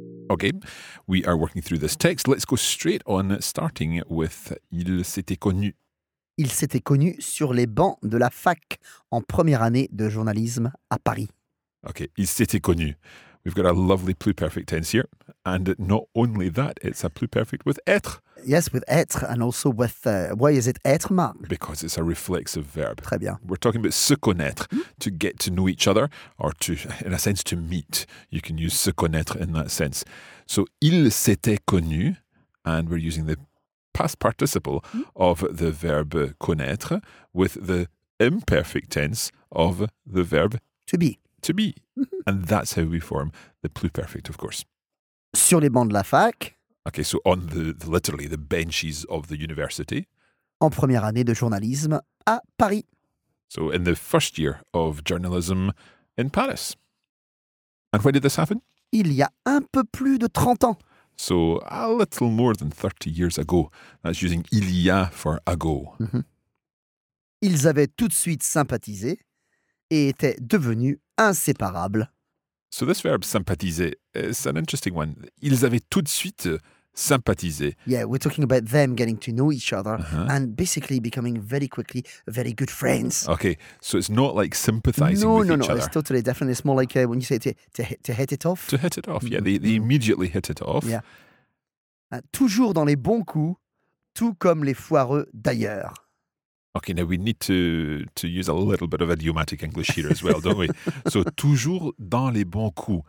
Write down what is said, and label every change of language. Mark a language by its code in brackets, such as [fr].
[en] Okay, we are working through this text. Let's go straight on, starting with [fr] Il s'était connu. Il s'était connu sur les bancs de la fac en première année de journalisme à Paris. Okay, il s'était connu. [en] We've got a lovely pluperfect tense here. And not only that, it's a pluperfect with être. Yes, with être and also with, why is it être, Marc? Because it's a reflexive verb. [fr] Très bien. [en] We're talking about se connaître, to get to know each other, or to, in a sense, to meet. You can use se connaître in that sense. So, [fr] il s'était connu, [en] and we're using the past participle of the verb connaître with the imperfect tense of the verb to be. To be. And that's how we form the pluperfect, of course. [fr] Sur les bancs de la fac. [en] Okay, so on the literally the benches of the university. [fr] En première année de journalisme à Paris. [en] So in the first year of journalism in Paris. And when did this happen? [fr] Il y a un peu plus de 30 ans. [en] So a little more than 30 years ago. That's using il y a for ago. Mm-hmm. [fr] Ils avaient tout de suite sympathisé et étaient devenus inséparables. [en] So this verb sympathiser is an interesting one. [fr] Ils avaient tout de suite sympathisé. [en] Yeah, we're talking about them getting to know each other and basically becoming very quickly very good friends. Okay, so it's not like sympathizing with each other. No, it's totally different. It's more like when you say to hit it off. To hit it off, yeah. They immediately hit it off. Yeah. [fr] Toujours dans les bons coups, tout comme les foireux d'ailleurs. [en] Okay, now we need to use a little bit of idiomatic English here as well, don't we? [fr] So, toujours dans les bons coups.